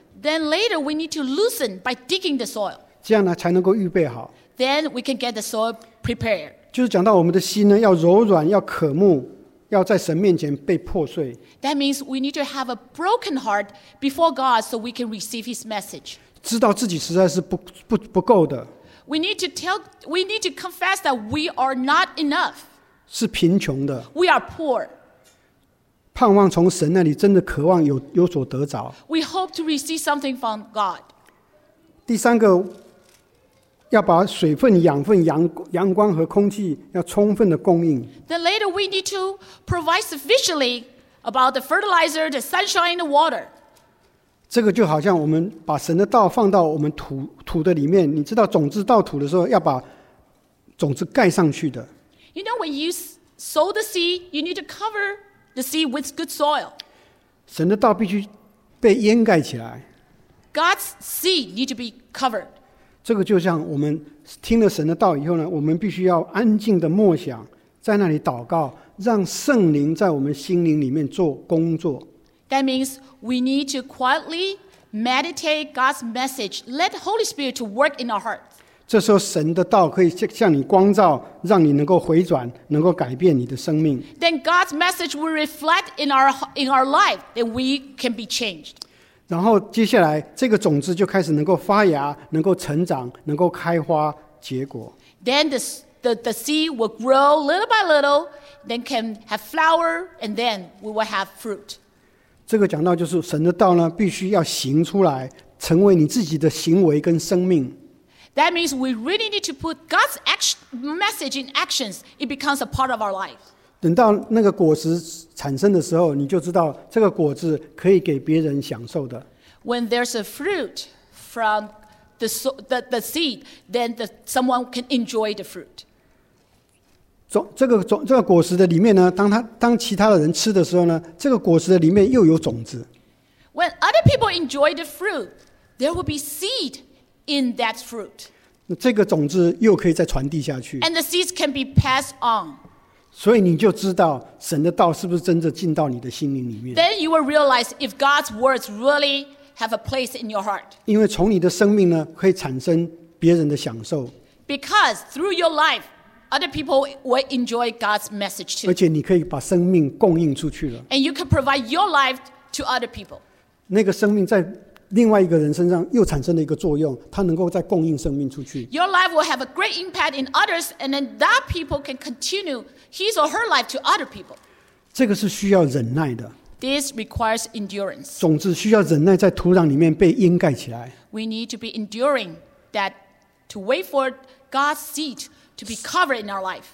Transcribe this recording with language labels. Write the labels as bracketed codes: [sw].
[en] Then later we need to loosen by digging the soil. [zh] 这样呢，才能够预备好。 [en] Then we can get the soil prepared. [zh] 就是讲到我们的心呢，要柔软，要渴慕，要在神面前被破碎。 [en] That means we need to have a broken heart before God so we can receive His message. [zh] 知道自己实在是不够的。 [en] We need to confess that we are not enough. [zh] 是贫穷的。 [en] We are poor. [zh] 盼望从神那里真的渴望有所得着。 [en] We hope to receive something from God. [zh] 第三个。要把水分、养分、阳光和空气要充分的供应。 [en] Then later we need to provide sufficiently about the fertilizer, the sunshine, the water. [zh] 这个就好像我们把神的道放到我们土的里面，你知道种子到土的时候要把种子盖上去的。 [en] You know when you sow the seed, you need to cover the seed with good soil. [zh] 神的道必须被掩盖起来。 [en] God's seed need to be covered. [zh] 这个就像我们听了神的道以后呢，我们必须要安静的默想，在那里祷告，让圣灵在我们心灵里面做工作。 [en] That means we need to quietly meditate God's message. Let the Holy Spirit to work in our hearts. [zh] 这时候神的道可以向你光照，让你能够回转，能够改变你的生命。 [en] Then God's message will reflect in our life, that we can be changed. [zh] 然后接下来这个种子就开始能够发芽，能够成长，能够开花结果。 [en] Then the seed will grow little by little, then can have flower, and then we will have fruit. [zh] 这个讲到就是神的道呢必须要行出来，成为你自己的行为跟生命。 [en] That means we really need to put God's message in actions. It becomes a part of our life. [zh] 等到那个果实产生的时候，你就知道这个果子可以给别人享受的。 [en] When there's a fruit from the seed, then someone can enjoy the fruit. [zh] 这个果实的里面呢，当其他的人吃的时候呢，这个果实的里面又有种子。 [en] When other people enjoy the fruit, there will be seed in that fruit. [zh] 这个种子又可以再传递下去。 [en] And the seeds can be passed on. [zh] 所以你就知道神的道是不是真的进到你的心灵里面。 [en] Then you will realize if God's words really have a place in your heart. [zh] 因为从你的生命呢，可以产生别人的享受。 [en] Because through your life, other people will enjoy God's message too. [zh] 而且你可以把生命供应出去了。 [en] And you can provide your life to other people. [zh] 那个生命在另外一个人身上又产生了一个作用，他能够再供应生命出去。 [en] Your life will have a great impact in others, and then that people can continue his or her life to other people. [zh] 这个是需要忍耐的。 [en] This requires endurance. [zh] 种子需要忍耐在土壤里面被掩盖起来。 [en] We need to be enduring that to wait for God's seed to be covered in our life.